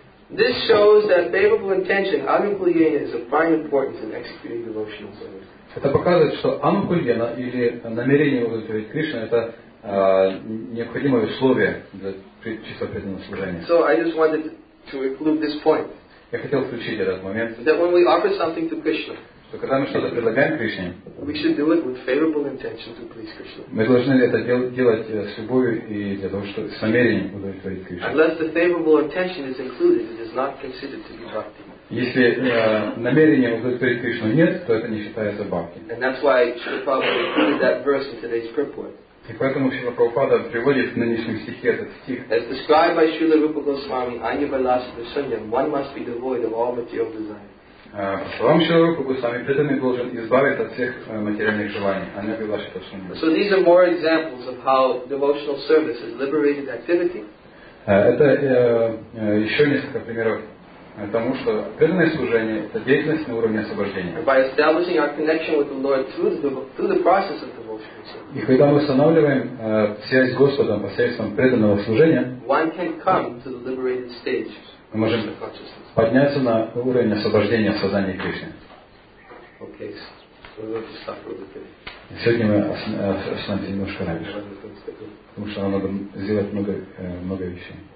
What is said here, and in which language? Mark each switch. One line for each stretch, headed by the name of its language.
English: This shows that favorable intention, anukulyena, is of prime importance in executing devotional service.
Russian: Это показывает, что анукульена или намерение удовлетворить Кришну это необходимое условие для чистого преданного служения.
English: So I just wanted to include this point.
Russian: Я хотел включить этот момент.
English: That when we offer something to Krishna.
Russian: Что когда мы что-то предлагаем Кришне,
English: we should do it with favorable intention to please Krishna.
Russian: Мы должны это делать с любовью и для того, чтобы с намерением удовлетворить Кришну.
English: Unless the favorable intention is included, it is not considered to be bhakti.
Russian: Если намерения удовлетворить Кришну нет, то это не считается бхакти.
English: And that's why Śrīla Prabhupāda included that verse in today's purport.
Russian: И поэтому Śrīla Prabhupāda приводит в нынешнем стихе этот стих.
English: As described by Śrīla Rūpa Gosvāmī,
Sanskrit: āṇya-vilāsa-dasanyam,
English: one must be devoid of all material desires.
Russian: По словам Шрилы Рупы Госвами, преданный должен избавиться от всех материальных желаний.
English: So these are more examples of how devotional service is liberated activity.
Russian: Это еще несколько примеров тому, что преданное служение это деятельность на уровне освобождения.
English: By establishing our connection with the Lord through the process of devotional service.
Russian: И когда мы устанавливаем связь с Господом посредством преданного служения,
English: one can come to the liberated stage.
Russian: Мы можем подняться на уровень освобождения в сознании Кришны.
English: Okay. So we'll stop a little bit.
Russian: Сегодня мы останемся немножко раньше. Потому что нам надо сделать много вещей.